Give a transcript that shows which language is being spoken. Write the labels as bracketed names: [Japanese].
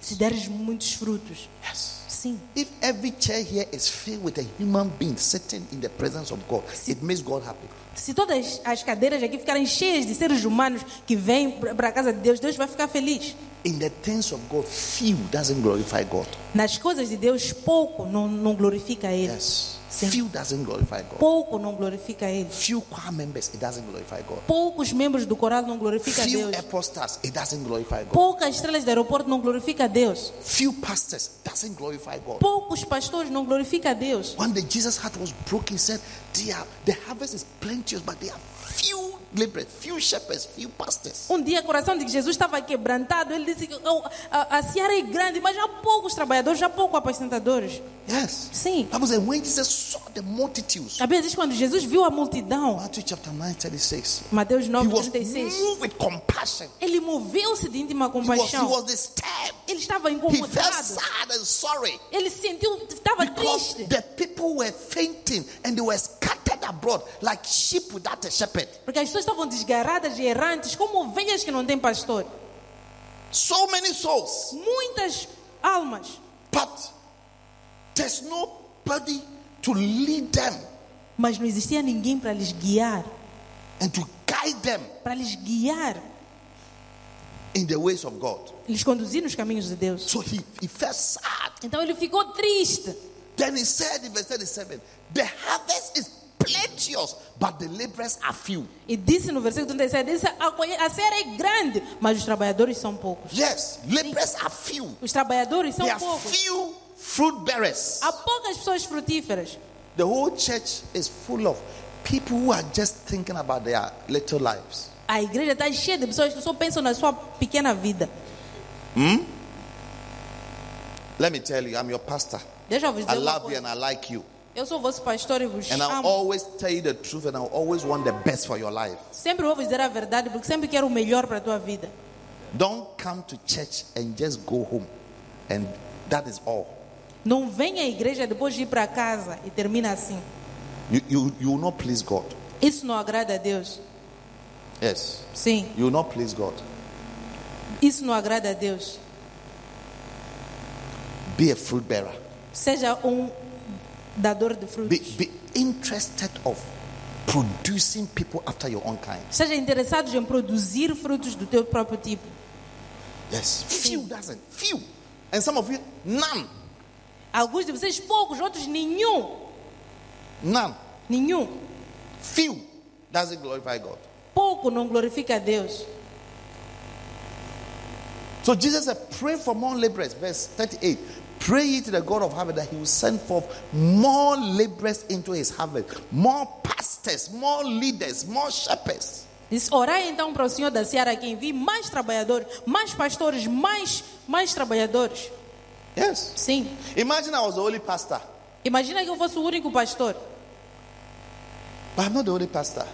[Portuguese] Se deres muitos frutos. [English] Yes. [Portuguese] Sim. [English] If every chair here is filled with a human being sitting in the presence of God, se, it makes God happy. [Portuguese] Se todas as cadeiras aqui ficarem cheias de seres humanos que vêm para a casa de Deus, Deus vai ficar feliz. [English] In the things of God, few doesn't glorify God. [Portuguese] Nas coisas de Deus, pouco não glorifica Ele. [English] Yes. [Portuguese] Sim. [English] Few doesn't glorify God. [Portuguese] Pouco não glorifica Ele. [English] Few choir members, it doesn't glorify God. [Portuguese] Poucos membros do coral não glorifica [English] Few [Portuguese] Deus. [English] Few apostles, it doesn't glorify God. [Portuguese] Poucas estrelas de aeroporto não glorifica Deus. [English] Few pastors, doesn't glorify God. [Portuguese] Poucos pastores não glorifica Deus. [English] When the Jesus' heart was broken, he said, "Dear, the harvest is plenteous, but they are few." Few shepherds, few pastors. [Portuguese] Um dia o coração de Jesus estava quebrantado. Ele disse que a seara é grande, mas há poucos trabalhadores, há poucos apacentadores. [English] Yes. [Portuguese] Sim. Vamos a [English] when Jesus saw the multitudes. [Portuguese] A Bíblia diz quando Jesus viu a multidão. [English] Matthew 9:36. [Portuguese] Mateus 9:36. [English] He was moved with compassion. [Portuguese] Ele moveu-se de íntima compaixão. [English] He was disturbed. [Portuguese] Ele estava incomodado. [English] He felt sad and sorry. [Portuguese] Ele sentiu, estava [English] because [Portuguese] triste. [English] The people were fainting and they were scattered abroad like sheep without a shepherd. [Portuguese] Porque as pessoas estavam desgarradas e errantes, como ovelhas que não têm pastor. [English] So many souls. [Portuguese] Muitas almas. [English] But there's nobody to lead them. [Portuguese] Mas não existia ninguém para lhes guiar. [English] And to guide them. [Portuguese] Para lhes guiar. [English] In the ways of God. [Portuguese] Lhes conduzir nos caminhos de Deus. [English] So he felt sad. [Portuguese] Então ele ficou triste. [English] Then he said in verse 37, the harvest is plenteous, but the laborers are few. [Portuguese] E disse no versículo 37, a seara é grande, mas os trabalhadores são poucos. [English] Yes, laborers are few. [Portuguese] Os trabalhadores são poucos. [English] There are few fruit bearers. [Portuguese] Há poucas pessoas frutíferas. [English] The whole church is full of people who are just thinking about their little lives. [Portuguese] A igreja está cheia de pessoas que só pensam na sua pequena vida. [English] Let me tell you, I'm your pastor. [Portuguese] Deixa eu vos dizer [English] I love you and I like you. [Portuguese] Eu sou vosso pastor e vos [English] and [Portuguese] amo. [English] I always tell you the truth and I always want the best for your life. [Portuguese] Sempre vou dizer a verdade porque sempre quero o melhor para a tua vida. [English] Don't come to church and just go home and that is all. [Portuguese] Não venha à igreja depois de ir para casa e termina assim. [English] You will not please God. [Portuguese] Isso não agrada a Deus. [English] Yes. [Portuguese] Sim. [English] You will not please God. [Portuguese] Isso não agrada a Deus. [English] Be a fruit bearer. [Portuguese] Seja dador de frutos. [English] Be interested of producing people after your own kind. [Portuguese] Seja interessado em produzir frutos do teu próprio tipo. [English] Yes. Few doesn't. Few. And some of you, none. [Portuguese] Alguns de vocês poucos, outros nenhum. [English] None. [Portuguese] Nenhum. [English] Few doesn't glorify God. [Portuguese] Pouco não glorifica a Deus. [English] So Jesus said, pray for more laborers. Verse 38. Pray to the God of heaven that he will send forth more laborers into his harvest. More pastors, more leaders, more shepherds. [Portuguese] Diz, orai então para o Senhor da Seara que envie mais trabalhadores, mais pastores, mais trabalhadores. [English] Yes. [Portuguese] Sim. [English] Imagine I was the only pastor. [Portuguese] Imagina que eu fosse o único pastor. [English] But I'm not the only pastor.